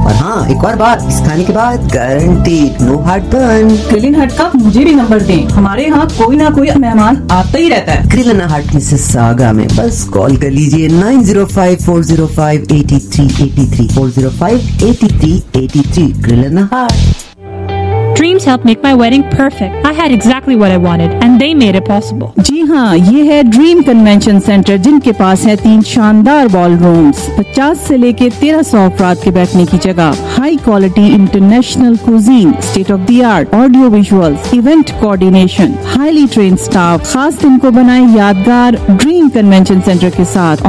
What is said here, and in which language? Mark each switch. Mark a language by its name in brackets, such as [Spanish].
[Urdu] اور ہاں ایک اور بات, اس کھانے کے بعد [English] Guaranteed no heartburn. [Urdu] گرلن ہٹ کا مجھے بھی نمبر دیں, ہمارے ہاں کوئی نہ کوئی مہمان آتا ہی رہتا ہے. گرلن ہٹ مسز ساگا میں, بس کال کر لیجیے 905-405-8383. [English] Dreams helped make my wedding perfect. I had exactly what I wanted and they made it possible. [Urdu] جی ہاں, یہ ہے ڈریم کنونشن سینٹر, جن کے پاس ہے 3 شاندار بال رومز, 50 سے لے کے 1300 افراد کے بیٹھنے کی جگہ, high quality international cuisine, state of the art audio visuals, event coordination, highly trend staff. خاص دن کو بنائیں یادگار ڈریم کنونشن سینٹر کے ساتھ.